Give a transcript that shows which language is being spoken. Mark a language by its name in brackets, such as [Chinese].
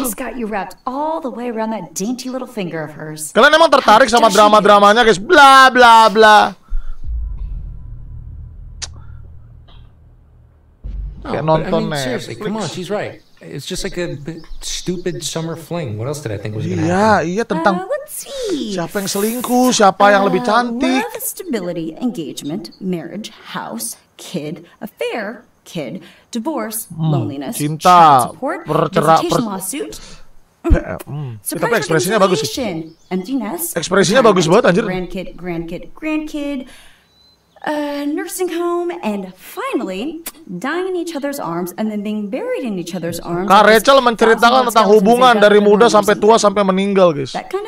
[English] She's got you wrapped all the way around that dainty little finger of hers. [Indonesian] Kalian emang tertarik sama drama-dramanya, guys? Bla bla bla. [English] Oh, but, nonton, I mean, seriously, come on, she's right. It's just like a stupid summer fling. What else did I think was gonna happen? [Indonesian] Iya, tentang [English] let's see. [Indonesian] Siapa yang selingkuh, siapa yang lebih cantik. [English] Love, stability, engagement, marriage, house, kid, affair, kid, divorce, loneliness, [Indonesian] cinta, [English] support, [Indonesian] lawsuit. Tapi ekspresinya bagus sih. [English] Emptiness, [Indonesian] ekspresinya bagus banget, anjir. [English] Grandkid. Nursing home, and finally dying in each other's arms, and then being buried in each other's arms. [Indonesian] Kak Rachel menceritakan tentang hubungan dari muda sampai tua sampai meninggal, guys.